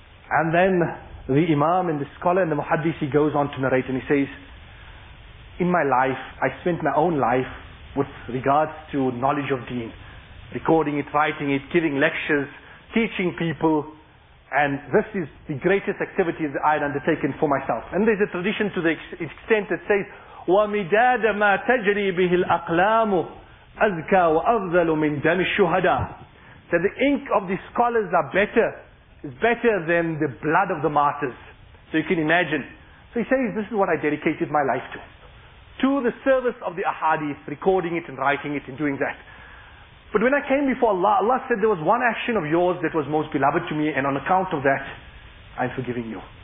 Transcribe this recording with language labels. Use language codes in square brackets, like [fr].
[en] And then the imam and the scholar and the muhaddith, he goes on to narrate, and he says, in my life, I spent my own life with regards to knowledge of deen, recording it, writing it, giving lectures, teaching people, and this is the greatest activity that I had undertaken for myself. And there's a tradition to the extent that says, [ar] وَمِدَادَ مَا تَجْرِي بِهِ الْأَقْلَامُ أَذْكَى وَأَفْضَلُ مِنْ دَمِ الشُّهَدَاءِ. [en] That the ink of the scholars are better, is better than the blood of the martyrs. So you can imagine. So he says, this is what I dedicated my life to. To the service of the ahadith, recording it and writing it and doing that. But when I came before Allah, Allah said there was one action of yours that was most beloved to me, and on account of that, I'm forgiving you.